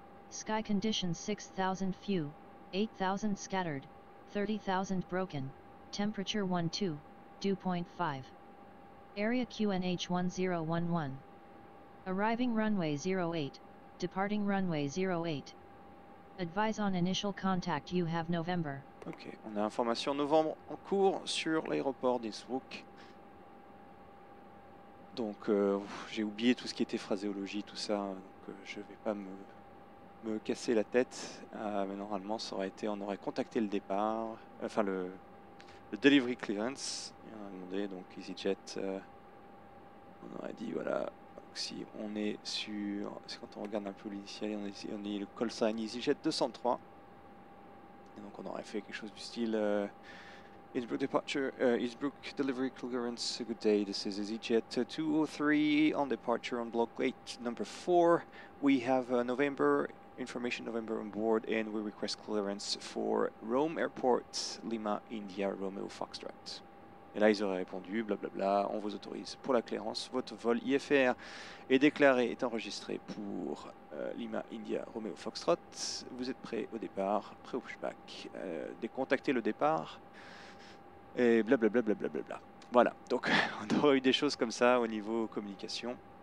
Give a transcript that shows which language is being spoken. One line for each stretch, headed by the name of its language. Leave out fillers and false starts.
English: Sky conditions 6,000 few, 8,000 scattered, 30,000 broken. Temperature 12, 2.5. Area QNH 1011. Arriving runway 08, departing runway 08. Advise on initial contact you have November.
French: Ok, on a information novembre en cours sur l'aéroport d'Innsbruck. Donc j'ai oublié tout ce qui était phraséologie, tout ça, donc je vais pas me casser la tête. Mais normalement ça aurait été, on aurait contacté le départ, enfin le delivery clearance, et on a demandé donc EasyJet, on aurait dit voilà. Si on est sur, c'est quand on regarde un peu l'initial, on est le call sign EasyJet 203. Et donc on aurait fait quelque chose du style
English: Innsbruck departure, Innsbruck delivery clearance, good day, this is EasyJet 203 on departure on block 8 number 4. We have November information, November on board, and we request clearance for Rome Airport, Lima, India, Romeo Foxtrot.
French: Et là, ils auraient répondu, blablabla, on vous autorise pour la clairance. Votre vol IFR est déclaré, est enregistré pour Lima, India, Romeo, Foxtrot. Vous êtes prêt au départ, prêt au pushback. Décontactez le départ. Et blablabla. Voilà, donc on aurait eu des choses comme ça au niveau communication.